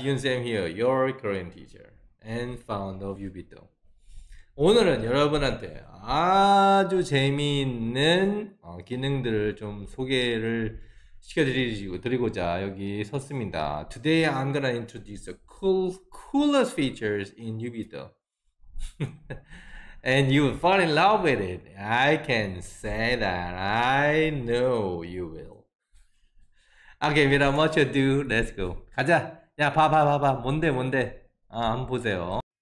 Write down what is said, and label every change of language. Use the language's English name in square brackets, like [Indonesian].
[English] Yoon Ssam here, your Korean teacher and founder of uBitto. [Korean] 오늘은 여러분한테 아주 재미있는 기능들을 좀 소개를 시켜드리고자 여기 섰습니다. [English] Today I'm gonna introduce the coolest features in uBitto. And you will fall in love with it. I can say that. I know you will. Okay, without much ado, let's go. [Korean] 가자. 야, 봐. 뭔데? 아, 한번 보세요.